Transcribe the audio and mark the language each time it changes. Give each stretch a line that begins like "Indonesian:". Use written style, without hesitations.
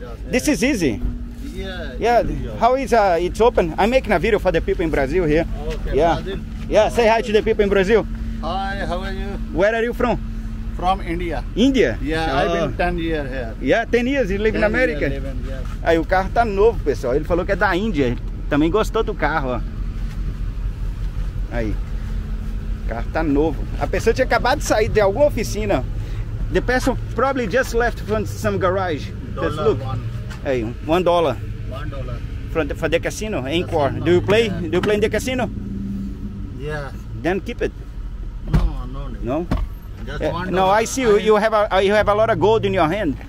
English: This is easy. Yeah. How is it's open? I'm making a video for the people in Brazil here. Okay, yeah. Brazil. Yeah, say hi to the people in Brazil. Hi, how are you? Where are you from? From India. India? Yeah, I've been 10 years here. Yeah, 10 years you live in America. Living, yes.
Portuguese: Aí o carro tá novo, pessoal. Ele falou que é da Índia. Também gostou do carro, ó. Aí. O carro tá novo. A pessoa tinha acabado de sair de alguma oficina.
English: The person probably just left from some garage. Just look. Hey, $1. For the casino, Encore. Do you play? Yeah. Do you play in the casino? Yeah. Then keep it. No. No? Just $1. No, I see you have a lot of gold in your hand.